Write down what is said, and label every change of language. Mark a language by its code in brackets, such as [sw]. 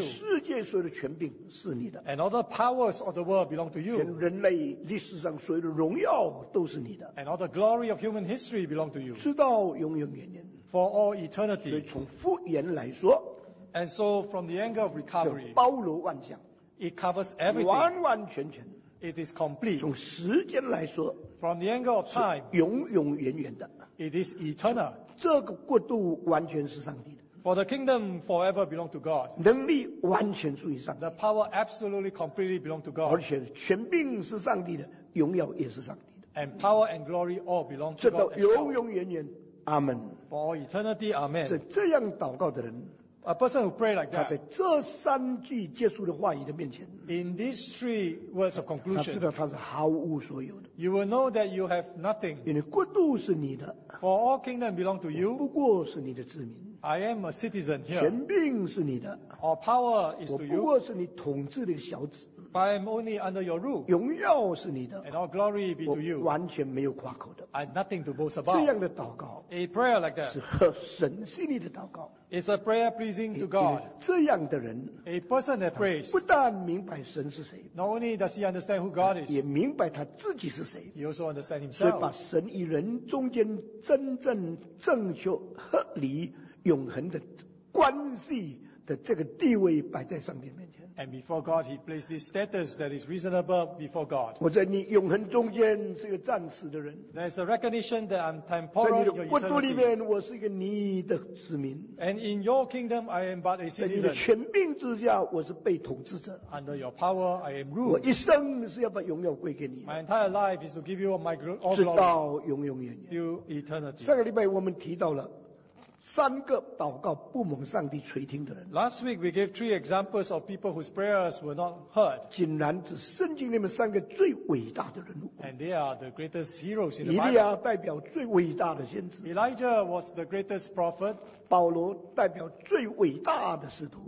[zh] 全世界所有的权柄是你的。 [en] And all the powers of the world belong to you. [zh] 全人类历史上所有的荣耀都是你的。 [en] And all the glory of human history belong to you. [zh] 直到永永远远。 [en] For all eternity. [zh] 所以从复原来说。 [en] And so from the angle of recovery. [zh] 就包罗万象。 [en] It covers everything. [zh] 完完全全。 [en] It is complete. [zh] 从时间来说。 [en] From the angle of time. [zh] 永永远远的。 [en] It is eternal. [zh] 这个国度完全是上帝的。 [en] For the kingdom forever belong to God. [zh] 能力完全属于上帝。 [en] The power absolutely completely belong to God. [zh] 而且权柄是上帝的，荣耀也是上帝的。 [en] And power and glory all belong to God. [zh] 这个永永远远，阿门。 [en] For all eternity, amen. [zh] 是这样祷告的人。 [en] A person who pray like that. [zh] 他在这三句结束的话语的面前。 [en] In these three words of conclusion. [zh] 他知道他是毫无所有的。 [en] You will know that you have nothing. [zh] 因为国度是你的。 [en] For all kingdom belong to you. [zh] 不过是你的子民。 [en] I am a citizen here. [zh] 权柄是你的。 [en] Our power is to you. [zh] 我不过是你统治的小子。 [en] But I am only under your rule. [zh] 荣耀是你的。 [en] And all glory be to you. [zh] 我完全没有夸口的。 [en] I have nothing to boast about. [zh] 这样的祷告。 [en] A prayer like that. [zh] 是合神心意的祷告。 [en] It's a prayer pleasing to God. [zh] 这样的人。 [en] A person that prays. [zh] 不但明白神是谁。 [en] Not only does he understand who God is. [zh] 也明白他自己是谁。 [en] He also understands himself. [zh] 所以把神与人中间真正正确合理永恒的关系的这个地位摆在上帝面前。 [en] And before God, He placed this status that is reasonable before God. [zh] 我在你永恒中间是个暂时的人。 [en] There's a recognition that I'm temporal. [zh] 在你的国度里面，我是一个你的子民。 [en] And in your kingdom, I am but a citizen. [zh] 在你的权柄之下，我是被统治者。 [en] Under your power, I am ruled. [zh] 我一生是要把荣耀归给你。 [en] My entire life is to give you my glory. [zh] 直到永永远远。 [en] To eternity. [zh] 上个礼拜我们提到了。三个祷告不蒙上帝垂听的人。 [en] Last week we gave three examples of people whose prayers were not heard. [zh] 竟然是圣经里面三个最伟大的人物。 [en] And they are the greatest heroes in the [zh] Bible. 以利亚代表最伟大的先知。 [en] Elijah was the greatest prophet. [zh] 保罗代表最伟大的使徒。